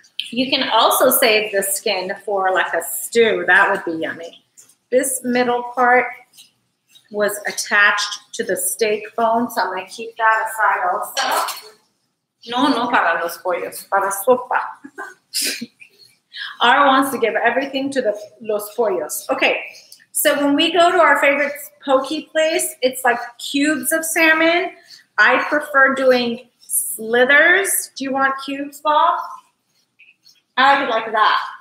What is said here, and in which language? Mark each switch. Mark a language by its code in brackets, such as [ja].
[en] You can also save the skin for like a stew. That would be yummy. This middle part was attached to the steak bone. So I'm going to keep that aside also. [es] No, no para los pollos, para sopa. [en] R wants to give everything to the [es] los pollos. [en] Okay, so when we go to our favorite poke place, it's like cubes of salmon. I prefer doing slithers. Do you want cubes, Bob? I like that.